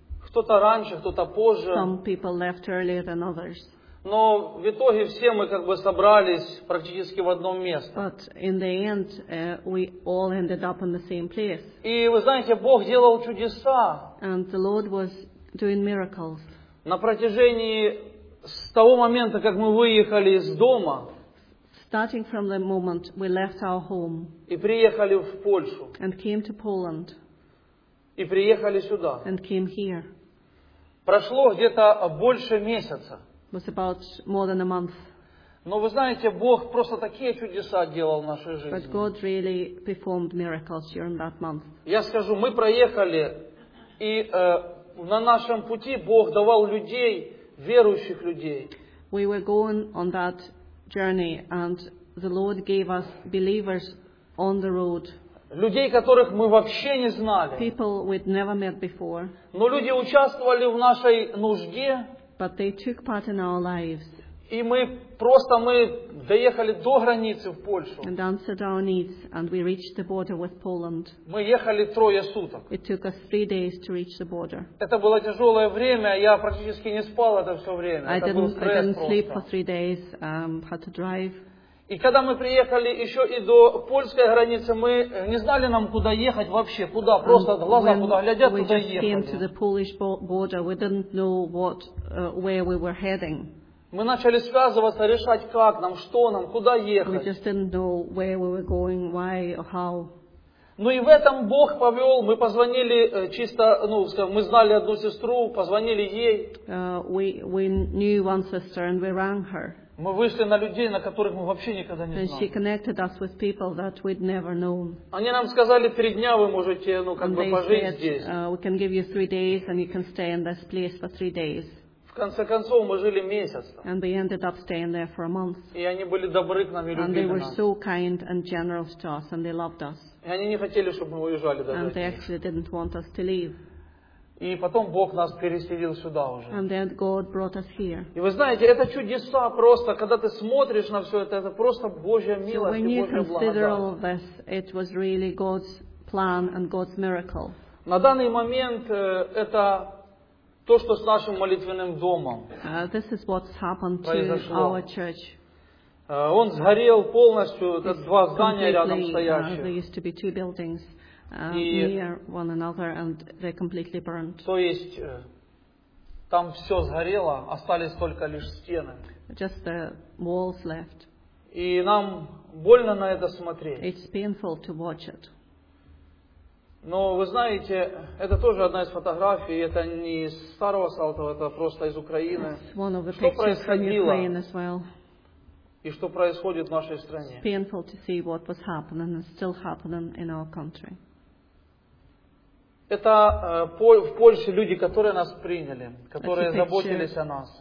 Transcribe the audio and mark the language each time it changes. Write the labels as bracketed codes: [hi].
[ru] Кто-то раньше, кто-то позже. [en] Some people left earlier than others. [ru] Но в итоге все мы как бы собрались практически в одном месте. [en] But in the end, we all ended up in the same place. [ru] И вы знаете, Бог делал чудеса. [en] And the Lord was doing miracles. [ru] На протяжении с того момента, как мы выехали из дома, [en] starting from the moment we left our home, [ru] и приехали в Польшу, [en] and came to Poland, [ru] и приехали сюда, [en] and came here, [ru] прошло где-то больше месяца. [en] Was about more than a month. [ru] Но вы знаете, Бог просто такие чудеса делал в нашей жизни. [en] But God really performed miracles during that month. [ru] Я скажу, мы проехали, и на нашем пути Бог давал людей, верующих людей. [en] We were going on that journey, and the Lord gave us believers on the road. [ru] Людей, которых мы вообще не знали. [en] People we'd never met before. [ru] Но люди участвовали в нашей нужде. [en] But they took part in our lives. [ru] И мы просто мы доехали до границы в Польшу. [en] And answered our needs, and we reached the border with Poland. [ru] Мы ехали трое суток. [en] It took us 3 days to reach the border. [ru] Это было тяжелое время. Я практически не спал это все время. [en] I didn't sleep for 3 days. Had to drive. [ru] И когда мы приехали еще и до польской границы, мы не знали нам, куда ехать вообще, куда, просто глаза куда глядят, [en] we [ru] туда ехали. [en] Came to the Polish border, we didn't know what, where we were heading. [ru] Мы начали связываться, решать, как нам, что нам, куда ехать. [en] We just didn't know where we were going, why or how. [ru] Ну и в этом Бог повел, мы позвонили чисто, ну, скажем, мы знали одну сестру, позвонили ей. [en] We knew one sister and we rang her. [ru] Мы вышли на людей, на которых мы вообще никогда не знали. [en] And she connected us with people that we'd never known. [ru] Они нам сказали, 3 дня вы можете, ну, как [en] and [ru] бы, пожить [en] said, [ru] здесь. [en] We can give you 3 days and you can stay in this place for 3 days. [ru] В конце концов, мы жили месяц. [en] And we ended up staying there for a month. [ru] И они были добры к нам и любили нас. [en] And they were so kind and generous to us and they loved us. [ru] И они не хотели, чтобы мы уезжали даже. [en] And they actually didn't want us to leave. [ru] И потом Бог нас переселил сюда уже. [en] And then God brought us here. [ru] И вы знаете, это чудеса просто, когда ты смотришь на все это просто Божья милость и Божья благодать. [en] So when you consider all of this, it was really God's plan and God's miracle. [ru] На данный момент это то, что с нашим молитвенным домом [en] this is what's happened [ru] произошло. [en] To our church. [ru] Он сгорел полностью, it's два здания рядом стоящие. [en] There used to be two buildings. Near one another and they're completely burnt. [ru] То есть там все сгорело, остались только лишь стены. [en] Just the walls left. [ru] И нам больно на это смотреть. [en] It's painful to watch it. [ru] Но вы знаете, это тоже одна из фотографий, это не из старого Салтова, это просто из Украины. [en] It's one of the pictures from Ukraine as well. [ru] И что происходит в нашей стране? [en] It's painful to see what was happening and still happening in our country. [ru] Это в Польше люди, которые нас приняли, которые заботились о нас.